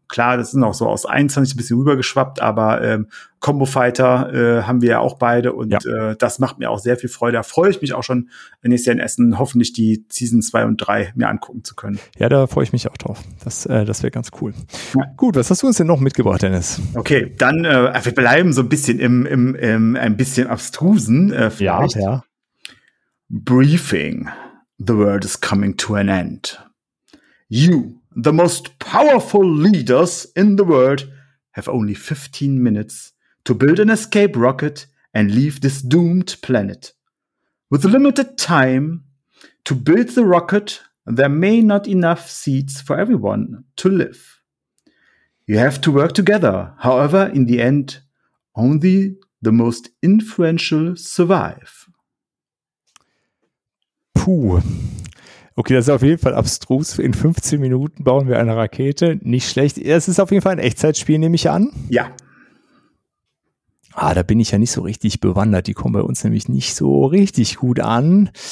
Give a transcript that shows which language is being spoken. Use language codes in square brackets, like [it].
[de] Klar, das ist noch so aus 21 ein bisschen rübergeschwappt, aber Combo Fighter haben wir ja auch beide und das macht mir auch sehr viel Freude. Da freue ich mich auch schon, nächstes Jahr in Essen hoffentlich die Season 2 und 3 mir angucken zu können. Ja, da freue ich mich auch drauf. Das wäre ganz cool. Ja. Gut, was hast du uns denn noch mitgebracht, Dennis? Okay, dann wir bleiben so ein bisschen im ein bisschen abstrusen. Vielleicht. Ja, ja. [en] Briefing. The world is coming to an end. You, the most powerful leaders in the world, have only 15 minutes to build an escape rocket and leave this doomed planet. With limited time to build the rocket, there may not be enough seats for everyone to live. You have to work together. However, in the end, only the most influential survive. Puh. [de] Okay, das ist auf jeden Fall abstrus. In 15 Minuten bauen wir eine Rakete. Nicht schlecht. Es ist auf jeden Fall ein Echtzeitspiel, nehme ich an. Ja. Ah, da bin ich ja nicht so richtig bewandert. Die kommen bei uns nämlich nicht so richtig gut an.